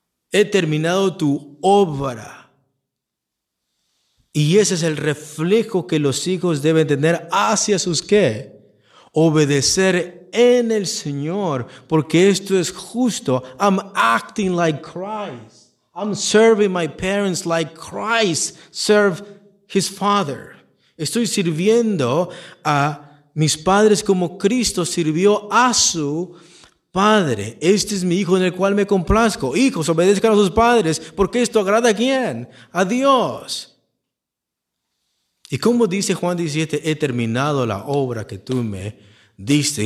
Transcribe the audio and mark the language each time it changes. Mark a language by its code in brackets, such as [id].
[es] He terminado tu obra. Y ese es el reflejo que los hijos deben tener hacia sus ¿qué? Obedecer en el Señor, porque esto es justo. [en] I'm acting like Christ. I'm serving my parents like Christ served his father. [es] Estoy sirviendo a mis padres como Cristo sirvió a su padre. Este es mi hijo en el cual me complazco. Hijos, obedezcan a sus padres, porque esto agrada a quién. A Dios. Y como dice Juan 17, he terminado la obra que tú me diste.